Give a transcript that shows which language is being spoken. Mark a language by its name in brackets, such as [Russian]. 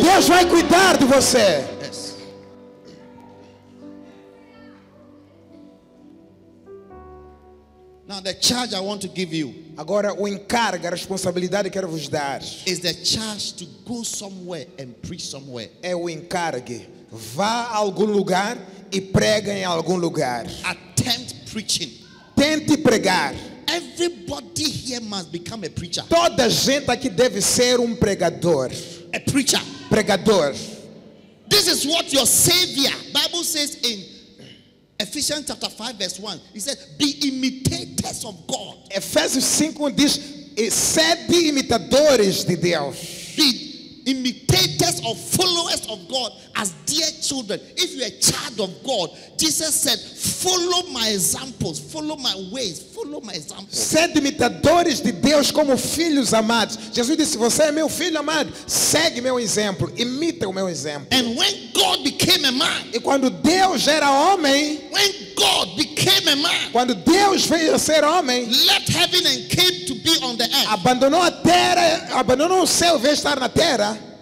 [Portuguese] Deus vai cuidar de você. [English] Yes. Now the charge I want to give you. [Portuguese] Agora o encargo, a responsabilidade que quero vos dar. [English] Is the charge to go somewhere and preach somewhere. [Portuguese] É o encargo. Vá a algum lugar e prega em algum lugar. [English] Attempt preaching. [Portuguese] Tente pregar. [English] Everybody here must become a preacher. [Portuguese] Toda gente aqui deve ser pregador. [English] A preacher. [Portuguese] Pregador. [English] This is what your Savior, Bible says in Ephesians chapter 5 verse 1. He said, "Be imitators of God." [Portuguese] Efésios 5 diz, "Sede imitadores de Deus." [English] Be imitators or followers of God as dear children. If you are a child of God, Jesus said, follow my examples, follow my ways, follow my examples. [Portuguese] Sede imitadores de Deus como filhos amados. Jesus disse, você é meu filho amado, segue meu exemplo, imita o meu exemplo. [English] And when God became a man, [Portuguese] e quando Deus era homem, [English] when God became a man, [Portuguese] quando Deus veio ser homem, [English] left heaven and came to be on the earth, [Portuguese] abandonou a terra, abandonou o céu, veio estar na terra.